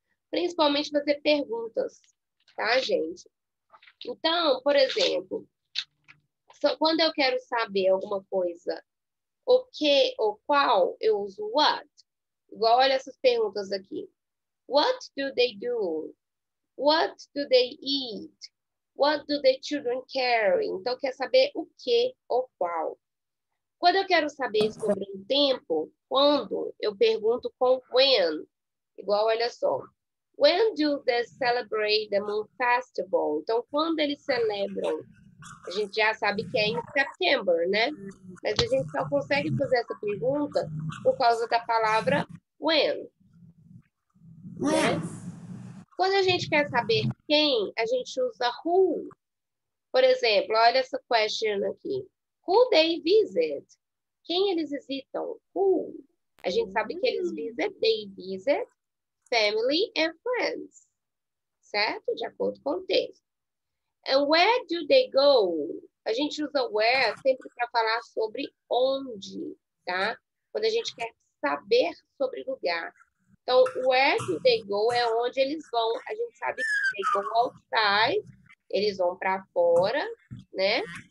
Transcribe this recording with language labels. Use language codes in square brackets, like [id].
[pt] Principalmente fazer perguntas, tá, gente? Então, por exemplo... Quando eu quero saber alguma coisa, o que ou qual, eu uso what. Igual, olha essas perguntas aqui. [en] What do they do? What do they eat? What do the children carry? [pt] Então, quer saber o que ou qual. Quando eu quero saber sobre um tempo, quando, eu pergunto com when. Igual, olha só. [en] When do they celebrate the Moon Festival? [pt] Então, quando eles celebram... A gente já sabe que é em setembro, né? Mas a gente só consegue fazer essa pergunta por causa da palavra when. né? Quando a gente quer saber quem, a gente usa who. Por exemplo, olha essa question aqui. [en] Who they visit? [pt] Quem eles visitam? [en] Who? [pt] A gente sabe que eles [en] visit, they visit family and friends. [pt] Certo? De acordo com o texto. [en] And where do they go? [pt] A gente usa where sempre para falar sobre onde, tá? Quando a gente quer saber sobre lugar. Então, [en] where do they go [pt] é onde eles vão. A gente sabe que [en] they go outside, [pt] eles vão para fora, né?